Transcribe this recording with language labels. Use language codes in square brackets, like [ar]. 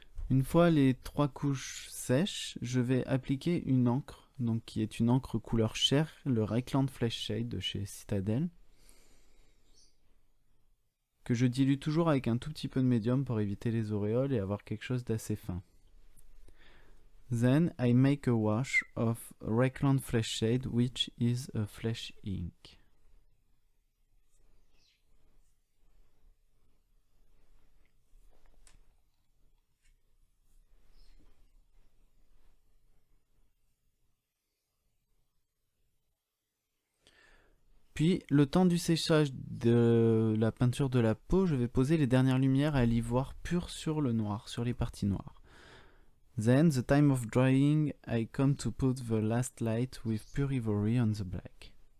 [fr] Une fois les trois couches sèches, je vais appliquer une encre, donc qui est une encre couleur chair, le Reichland Flesh Shade de chez Citadel, que je dilue toujours avec un tout petit peu de médium pour éviter les auréoles et avoir quelque chose d'assez fin. [en] Then I make a wash of Reichland Flesh Shade, which is a flesh ink. [fr] Puis, le temps du séchage de la peinture de la peau, je vais poser les dernières lumières à l'ivoire pur sur le noir, sur les parties noires. [en] Then, the time of drying, I come to put the last light with pure ivory on the black.